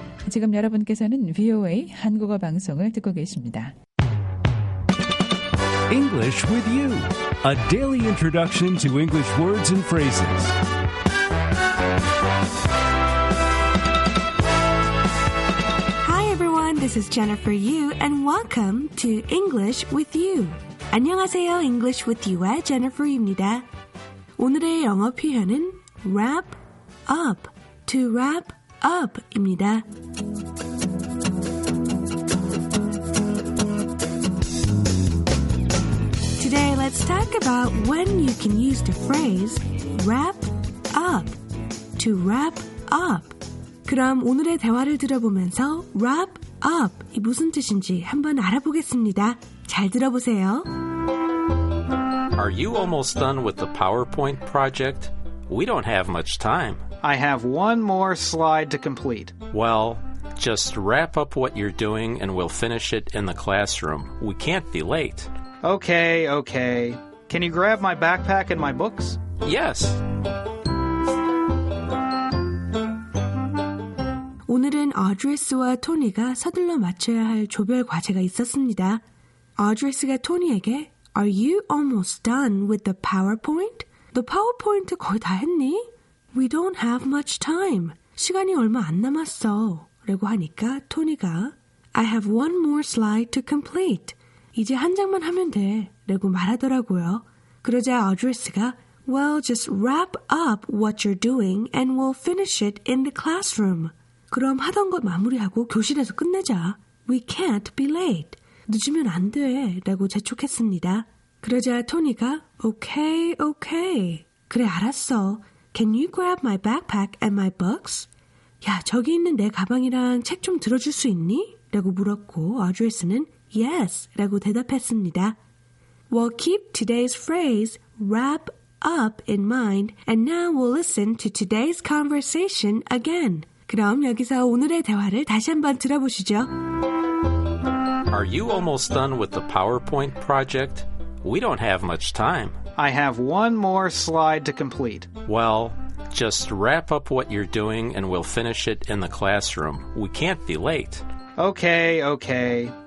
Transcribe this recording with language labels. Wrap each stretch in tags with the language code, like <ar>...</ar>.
<ko>지금 여러분께서는 VOA 한국어 방송을 듣고 계십니다.</ko> <en>English with you. A daily introduction to English words and phrases.</en> <ko>안녕하세요, English with you의 Jennifer입니다. 오늘의 영어 표현은 wrap up, to wrap up입니다. 오늘</ko> <en>let's talk about when you can use the phrase wrap up, to wrap up.</en> <ko>그럼 오늘의 대화를 들어보면서 wrap up 이 무슨 뜻인지 한번 알아보겠습니다. 잘 들어보세요.</ko> <en>Are you almost done with the PowerPoint project? We don't have much time. I have one more slide to complete. Well, just wrap up what you're doing and we'll finish it in the classroom. We can't be late. Okay, okay. Can you grab my backpack and my books? Yes.</en> <ko>오늘은 어드리스와 토니가 서둘러 마쳐야 할 조별 과제가 있었습니다. 어드리스가 토니에게</ko> <en>Are you almost done with the PowerPoint? The PowerPoint</en> <ko>거의 다 했니?</ko> <en>We don't have much time.</en> <ko>시간이 얼마 안 남았어. 라고 하니까 토니가</ko> <en>I have one more slide to complete.</en> <ko>이제 한 장만 하면 돼. 라고 말하더라고요. 그러자 어드리스가</ko> <en>Well, just wrap up what you're doing and we'll finish it in the classroom.</en> <ko>그럼 하던 것 마무리하고 교실에서 끝내자.</ko> <en>We can't be late.</en> <ko>늦으면 안 돼. 라고 재촉했습니다. 그러자 토니가</ko> <en>Okay, okay.</en> <ko>그래, 알았어.</ko> <en>Can you grab my backpack and my books?</en> <ko>야, 저기 있는 내 가방이랑 책 좀 들어줄 수 있니? 라고 물었고 어드리스는 Yes. 라고 대답했습니다.</ko> <en>Well, keep today's phrase wrap up in mind and now we'll listen to today's conversation again.</en> <ko>그럼 여기서 오늘의 대화를 다시 한번 들어보시죠.</ko> <en>Are you almost done with the PowerPoint project? We don't have much time. I have one more slide to complete. Well, just wrap up what you're doing and we'll finish it in the classroom. We can't be late. Okay, okay.</en>